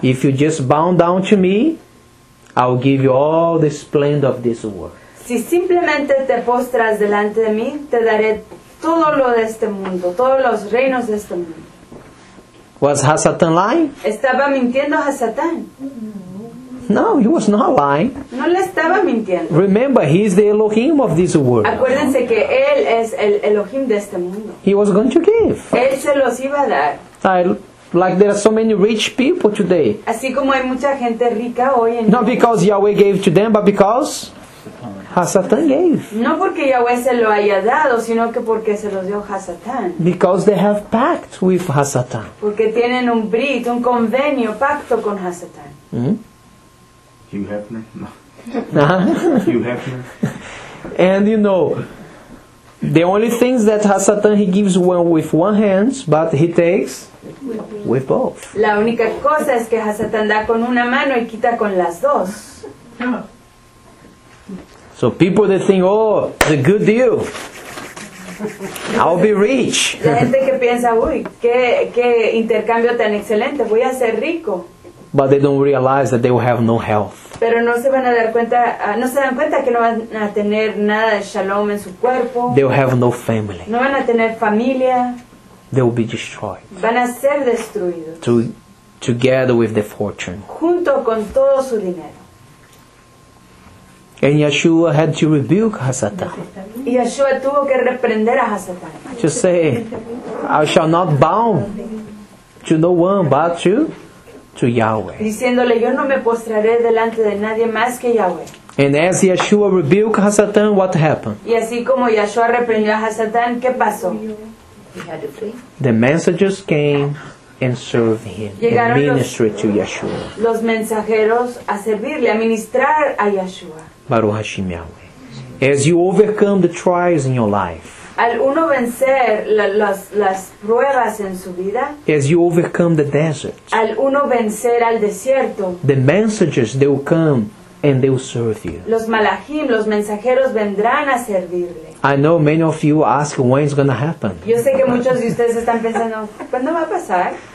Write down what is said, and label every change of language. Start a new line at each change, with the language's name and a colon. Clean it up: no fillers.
English: If you just bow down to me, I'll give you all the splendor of this world.
Spanish: Si simplemente te postras delante de mí, te daré todo lo de este mundo, todos los reinos de este mundo.
English: Was Hasatan lying?
Spanish: ¿Estaba mintiendo Hasatan?
English: No, he was not lying.
Spanish: No le estaba mintiendo.
English: Remember, he is the Elohim of this world.
Spanish: Acuérdense que él es el Elohim de este mundo.
English: He was going to give.
Spanish: Él se los iba a dar.
English: Like there are so many rich people today.
Spanish: Así como hay mucha gente rica hoy en día.
English: Not because Yahweh gave to them, but because Hasatan gave.
Spanish: No porque Yahweh se lo haya dado, sino que porque se los dio Hasatan.
English: Because they have pact with Hasatan.
Spanish: Porque tienen un brit, un convenio, pacto con Hasatan.
English: Hugh Hefner? And you know, the only things that Hasatan he gives one with one hand, but he takes with both.
Spanish: La única cosa es que Hasatan da con una mano y quita con las dos.
English: So people they think, oh, it's a good deal. I'll be rich.
Spanish: La gente que piensa, uy, qué intercambio tan excelente, voy a ser rico.
English: But they don't realize that they will have no health.
Spanish: Pero no se van a dar cuenta, no se dan cuenta que no van a tener nada de shalom en su cuerpo.
English: They will have no family.
Spanish: No van a tener familia.
English: They will be destroyed.
Spanish: Van a ser destruidos.
English: Together with the fortune.
Spanish: Junto con todo su dinero.
English: And Yeshua had to rebuke Hasatan.
Spanish: Y Yeshua tuvo que reprender a Hasatan.
English: To say, I shall not bow to no one but you. To Yahweh.
Spanish: Diciéndole, yo no me postraré delante de nadie más que Yahweh.
English: And as Yeshua rebuked Hasatan, what happened?
Spanish: Y así como Yeshua reprendió a Hasatan, ¿qué pasó?
English: The messengers came and served him.
Spanish: Llegaron
English: and ministered to Yeshua.
Spanish: Los mensajeros a servirle, a ministrar a Yeshua.
Hebrew: Baruch Hashem Yahweh.
English: As you overcome the trials in your life.
Spanish: Al uno vencer las pruebas en su vida.
English: As you overcome the desert.
Spanish: Al uno vencer al desierto.
English: The messengers, they will come and they will serve you.
Spanish: Los malachim, los mensajeros vendrán a servirle.
English: I know many of you ask when it's going to happen.
Spanish: Yo sé que muchos de ustedes están pensando, ¿cuándo va a pasar?